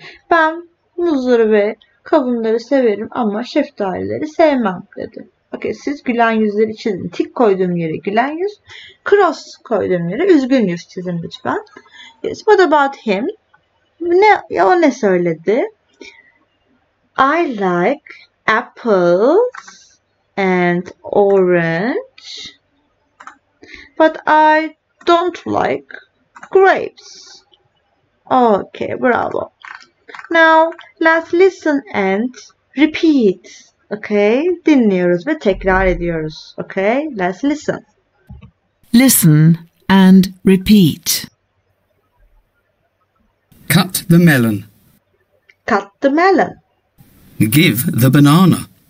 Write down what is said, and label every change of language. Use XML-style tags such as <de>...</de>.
<tr>Ben muzları ve kavunları severim ama şeftalileri sevmem dedi. Okay, siz gülen yüzleri çizin. Tik koyduğum yere gülen yüz. Cross koyduğum yere üzgün yüz çizin lütfen.</tr> <en>Yes, what about him?</en> <tr>Ne, o ne söyledi?</tr> <en>I like apples and orange. But I don't like grapes. Okay, bravo. Now, let's listen and repeat.</en> <tr>Okay, dinliyoruz ve tekrar ediyoruz.</tr> <en>Okay, let's listen. Listen and repeat. Cut the melon. Cut the melon. Give the banana.</en>